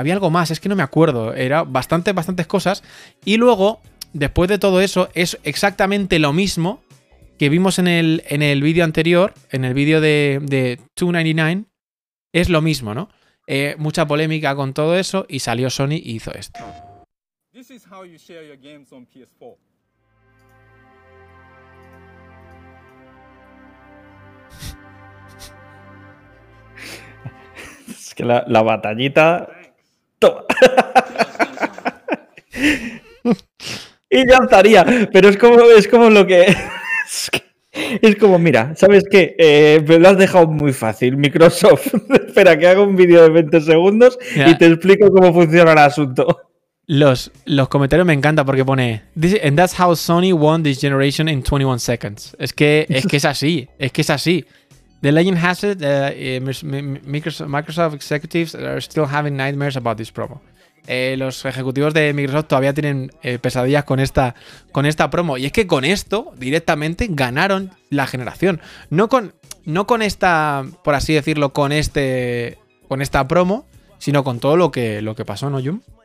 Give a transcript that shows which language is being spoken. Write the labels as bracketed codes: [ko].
[es] Había algo más, es que no me acuerdo. Era bastantes cosas. Y luego, después de todo eso, es exactamente lo mismo que vimos en el vídeo anterior, en el vídeo de 299, es lo mismo, ¿no? Mucha polémica con todo eso y salió Sony y hizo esto. [en] This is how you share your games on PS4. [es] Es que la batallita... ¡Toma! Y ya estaría, pero es como lo que... Es como, mira, ¿sabes qué? Me lo has dejado muy fácil, Microsoft. Espera, que haga un vídeo de 20 segundos y te explico cómo funciona el asunto. Los comentarios me encantan porque pone [en] "And that's how Sony won this generation in 21 seconds". [es] Es que es así. [en] The legend has it that Microsoft executives are still having nightmares about this promo. [es] Los ejecutivos de Microsoft todavía tienen pesadillas con esta promo. Y es que con esto directamente ganaron la generación. No con esta, por así decirlo, con esta promo, sino con todo lo que pasó, ¿no, Jun?